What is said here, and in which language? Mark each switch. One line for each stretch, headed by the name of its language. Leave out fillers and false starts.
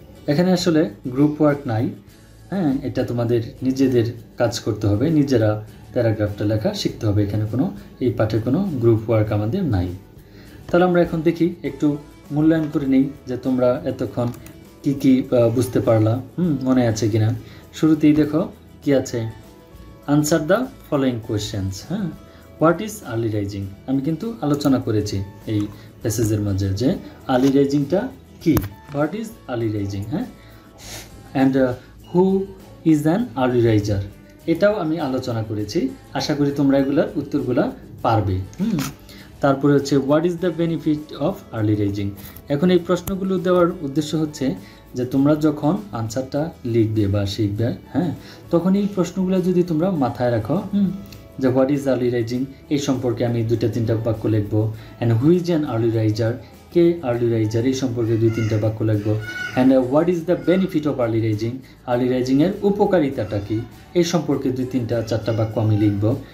Bangla: এখানে আসলে group work নাই, হ্যাঁ, এটা তোমাদের নিজেদের কাজ করতে হবে, নিজেরা প্যারাগ্রাফটা লেখা শিখতে হবে, এখানে কোনো, এই পাঠে কোনো গ্রুপ ওয়ার্ক আমাদের নাই। তাহলে আমরা এখন দেখি, একটু মূল্যায়ন করে নিই যে তোমরা এতক্ষণ কী কী বুঝতে পারলা, মনে আছে কিনা। শুরুতেই দেখো কী আছে,
English: answer the following questions. What is early rising?
Bangla: আমি কিন্তু আলোচনা করেছি এই প্যাসেজের মধ্যে যে early rising টা কি?
English: What is early rising? And who is an early riser?
Bangla: এটাও আমি আলোচনা করেছি। আশা করি তোমরা এগুলোর উত্তরগুলো পারবে। তারপরে হচ্ছে
English: what is the benefit of early rising?
Bangla: এখন এই প্রশ্নগুলো দেওয়ার উদ্দেশ্য হচ্ছে যে তোমরা যখন আনসারটা লিখবে বা শিখবে হ্যাঁ তখন এই প্রশ্নগুলো যদি তোমরা মাথায় রাখো যে
English: what is early rising
Bangla: এই সম্পর্কে আমি দুইটা তিনটা বাক্য লিখবো
English: and who's is an early riser
Bangla: K early raiser এই সম্পর্কে দুই তিনটা বাক্য লিখবো
English: and what is the benefit of early rising
Bangla: early রাইজিংয়ের উপকারিতাটা কী এই সম্পর্কে দুই তিনটা চারটা বাক্য আমি লিখবো